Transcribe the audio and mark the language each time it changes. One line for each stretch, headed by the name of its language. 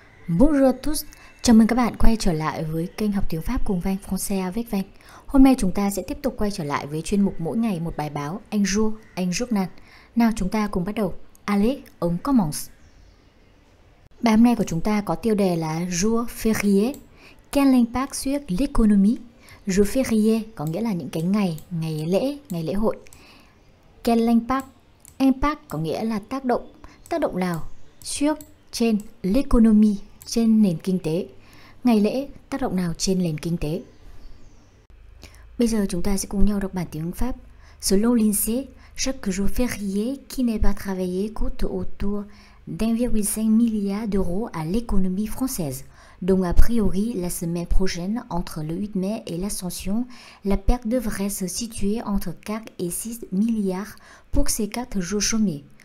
French: Bonjour à tous,
Vietnamese: chào mừng các bạn quay trở lại với kênh học tiếng Pháp cùng Van Français avec Van. Hôm nay chúng ta sẽ tiếp tục quay trở lại với chuyên mục mỗi ngày một bài báo,
French: Un jour, un journal.
Vietnamese: Nào chúng ta cùng bắt đầu.
French: Allez, on commence.
Vietnamese: Bài hôm nay của chúng ta có tiêu đề là Jour férié.
French: Quel impact sur l'économie?
Vietnamese: Jour férié có nghĩa là những cái ngày lễ hội.
French: Quel impact?
Vietnamese: Impact có nghĩa là tác động. Tác động nào? Sur trên l'économie, trên nền kinh tế. Ngày lễ tác động nào trên nền kinh tế? Bây giờ chúng ta sẽ cùng nhau đọc bản tiếng Pháp.
French: Selon l'INSEE, chaque jour férié qui n'est pas travaillé coûte autour d'1,5 milliard d'euros à l'économie française. Donc a priori, la semaine prochaine, entre le 8 mai et l'Ascension, la perte devrait se situer entre 4 et 6 milliards pour ces 4 jours chômés.